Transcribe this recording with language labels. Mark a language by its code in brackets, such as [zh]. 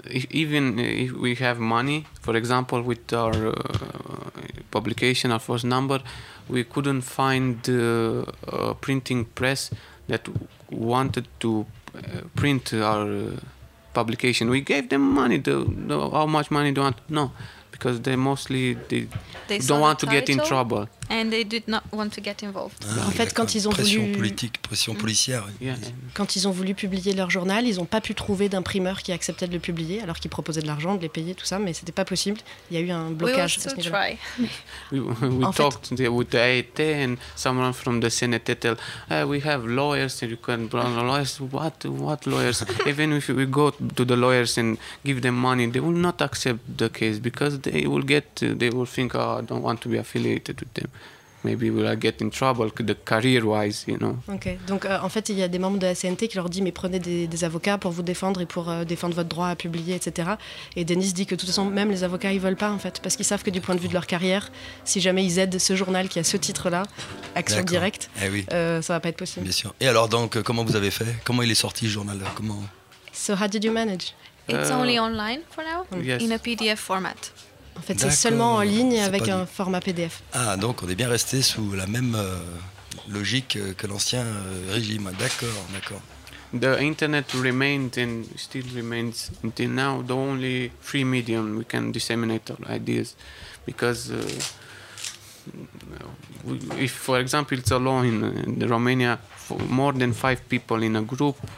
[en] Even if we have money, for example, with our publication, our first number, we couldn't find a printing press that wanted to print our publication. We gave them money. How much money do you want? No, because they don't want to get in trouble. And they did not want to get involved. [fr] Ah, en fait, quand ils ont pression voulu politique, pression policière. [en] Yeah. [fr] Quand ils ont voulu publier leur journal, ils n'ont pas pu trouver d'imprimeur qui acceptait de le publier, alors qu'ils proposaient de l'argent, de les payer, tout ça, mais c'était pas possible. Il y a eu un blocage. [en] We will try. We talked with the AET and someone from the Senate tell, we have lawyers and you can bring lawyers. What lawyers? Even if we go to the lawyers and give them money, they will not accept the case because they will think, oh, I don't want to be affiliated with them. Maybe we'll get in trouble career-wise, you know. [fr] Ok, donc en fait, il y a des membres de la CNT qui leur disent, mais prenez des avocats pour vous défendre et pour défendre votre droit à publier, etc. Et Denis dit que de toute façon, même les avocats, ils veulent pas, en fait, parce qu'ils savent que du point de vue de leur carrière, si jamais ils aident ce journal qui a ce titre-là, Action D'accord. Directe, eh oui. Ça va pas être possible. Bien sûr. Et alors, donc, comment vous avez fait? Comment il est sorti, ce journal-là? Comment... [en] So, how did you manage? It's only online for now, yes. In a PDF format. [fr] En fait, c'est seulement en ligne avec un format PDF. Ah, donc on est bien resté sous la même logique que l'ancien régime. D'accord, d'accord. [en] The internet remained and still remains until now the only free medium we can disseminate our ideas, because if, for example, it's alone in the Romania, more than five people in a group.